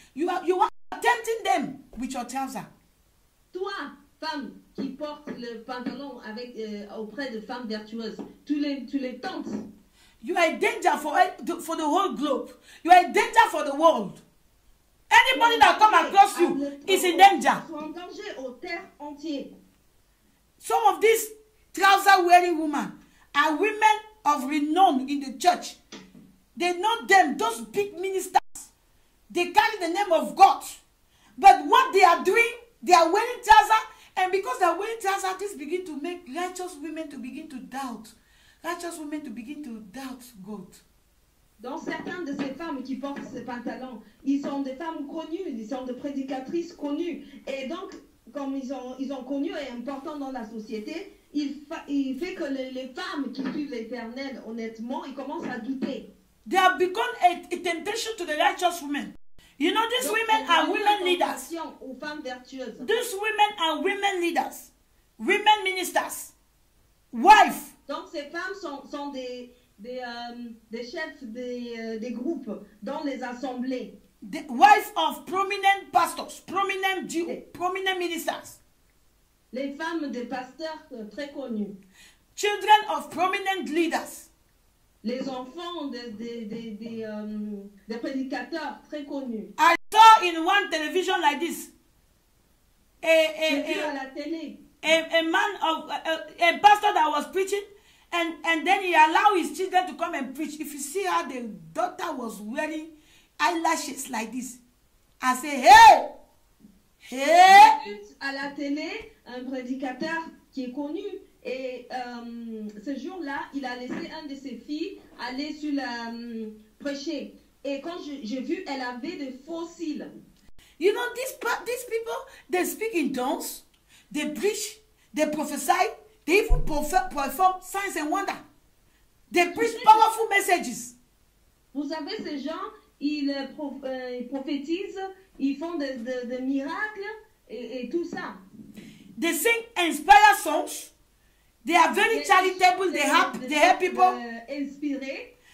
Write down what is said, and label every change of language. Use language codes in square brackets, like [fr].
[en] You are tempting them with your trousers. [fr] Toi, femme qui porte le pantalon avec auprès de femmes vertueuses, tu les tentes. [en] You are a danger for the whole globe. You are a danger for the world. Anybody that comes across you is in danger. [fr] En danger aux terres entières. [en] Some of these trouser wearing women are women of renown in the church. They know them, those big ministers. They carry the name of God. But what they are doing, they are wearing trousers. And because they are wearing trousers, this begin to make righteous women to begin to doubt. Righteous women to begin to doubt God. [fr] Dans certaines de ces femmes qui portent ces pantalons, ils sont des femmes connues, ils sont des prédicatrices connues. Et donc, comme ils ont connu et important dans la société, il fait que les femmes qui suivent l'Éternel honnêtement, ils commencent à douter. [en] They have become a temptation to the righteous women. You know, these women are women leaders. These women are women leaders. Women ministers. Wife. [fr] Donc, ces femmes sont des chefs des groupes dans les assemblées. [en] The wife of prominent pastors, prominent duo, prominent ministers. [fr] Les femmes des pasteurs très connus. [en] Children of prominent leaders. [fr] Les enfants des prédicateurs très connus. [en] I saw in one television like this. [fr] À la télé. [en] A pastor that was preaching, and then he allowed his children to come and preach. If you see how the daughter was wearing eyelashes like this, I say, hey, hey. [fr] À la télé, un prédicateur qui est connu. Et ce jour-là, il a laissé un de ses filles aller sur la prêcher. Et quand j'ai vu, elle avait des faux cils. [en] You know, these people, they speak in tongues, they preach, they prophesy, they even perform signs and wonders. They preach powerful messages. [fr] Vous savez, ces gens, ils prophétisent, ils font des miracles et tout ça. [en] They sing inspired songs. They are very charitable. They help. They help people. [fr] Inspiré.